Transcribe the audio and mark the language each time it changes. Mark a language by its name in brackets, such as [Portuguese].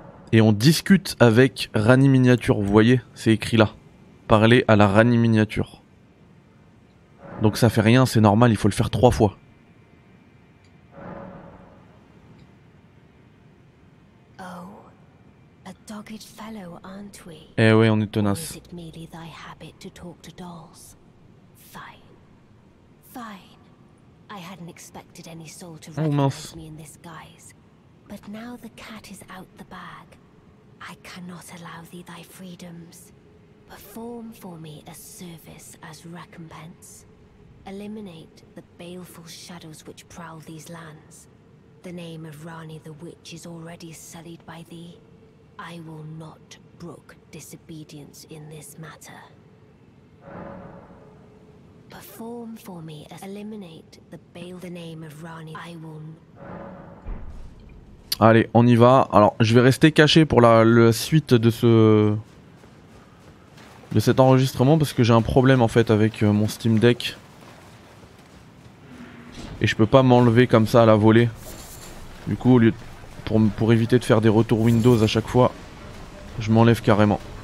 [French] Et on discute avec Rani miniature, vous voyez, c'est écrit là. Parler à la Rani miniature. Donc ça fait rien, c'est normal, il faut le faire 3 fois. [English] Oh, a dogged fellow, aren't we? [French] Eh ouais, on est tenace. [English] Is it merely thy habit to talk to dolls? Fine. Fine. I hadn't expected any soul to recognize me in this guise. But now the cat is out the bag. I cannot allow thee thy freedoms. Perform for me a service as recompense. Eliminate the baleful shadows which prowl these lands. The name of Rani the Witch is already sullied by thee. I will not brook disobedience in this matter. Perform for me a eliminate the bale the name of Rani I will. [French] Allez, on y va. Alors, je vais rester caché pour la suite de cet enregistrement parce que j'ai un problème en fait avec mon Steam Deck. Et je peux pas m'enlever comme ça à la volée. Du coup, au lieu pour éviter de faire des retours Windows à chaque fois, je m'enlève carrément.